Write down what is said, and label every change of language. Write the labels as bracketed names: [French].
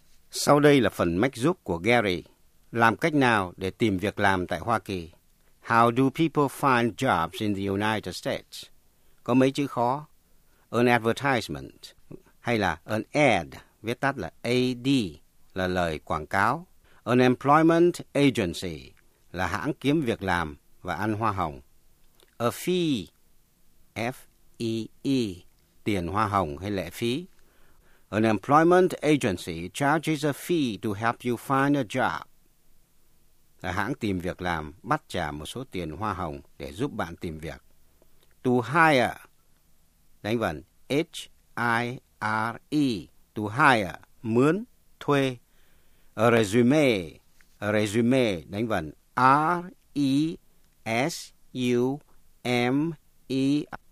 [Vietnamese] Sau đây là phần mách giúp của Gary. Làm cách nào để tìm việc làm tại Hoa Kỳ? [English] How do people find jobs in the United States? [Vietnamese] Có mấy chữ khó? [English] An advertisement [Vietnamese] hay là [English] an ad, [Vietnamese] viết tắt là AD, là lời quảng cáo. [English] An employment agency [Vietnamese] là hãng kiếm việc làm và ăn hoa hồng. [English] A fee, [Vietnamese] F-E-E, tiền hoa hồng hay lệ phí. [English] An employment agency charges a fee to help you find a job. [Vietnamese] Là hãng tìm việc làm bắt trả một số tiền hoa hồng để giúp bạn tìm việc. [English] To hire, [Vietnamese] đánh vần H-I-R-E, [English] to hire, [Vietnamese] mướn, thuê. [English] A resume, [Vietnamese] đánh vần R-E-S-U-M-E.